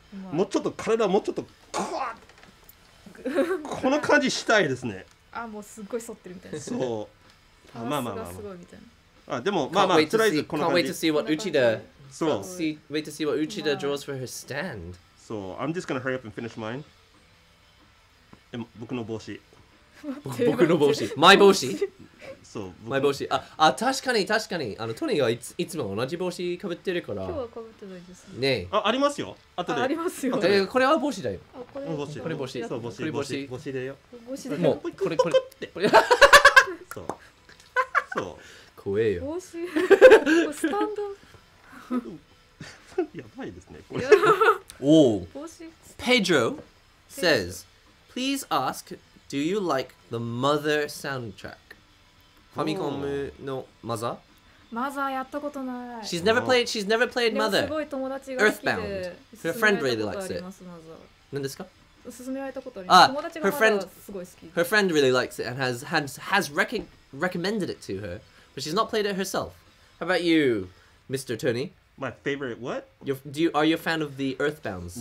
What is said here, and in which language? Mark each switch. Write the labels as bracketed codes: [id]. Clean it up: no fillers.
[ja] もうちょっと体もうちょっとこの感じしたいですね。あ、もうすっごい反ってるみたいな。そう。あ、まあまあまあ。すごいみたいな。あ、でもまあまあ、とりあえずこの感じ。 [en] Can't wait to see what Uchida. そう。 Wait to see what Uchida draws for her stand. So I'm just gonna hurry up and finish mine. [ja] 僕の帽子。僕の帽子。 [en] My [ja] 帽子。そう。 My 帽子。あ、確かに確かに。あのトニーがいつも同じ帽子かぶってるから。今日はかぶってないですね。ねえ。あ、ありますよ。後で。ありますよ。これは帽子だよ。あ、これ帽子。そう、帽子。帽子だよ。帽子だよ。もう、これ。って。そう。そう。怖えよ。帽子。スタンド。やばいですね、これ。お帽子。 [en] Pedro says, please ask,Do you like the Mother soundtrack? Famicom no Mother? [ja] Mother, やったことない。 [en] She's never played. She's never played Mother. [ja] すごい友達が好きで。 [en] Earthbound. Her friend really likes it. Mother. [ja] 何ですか？勧められたことあります。友達がまだすごい好き。 [en] Her friend really likes it and has recommended it to her, but she's not played it herself. How about you, Mr. Tony? My favorite what? Are you a fan of the Earthbound soundtrack?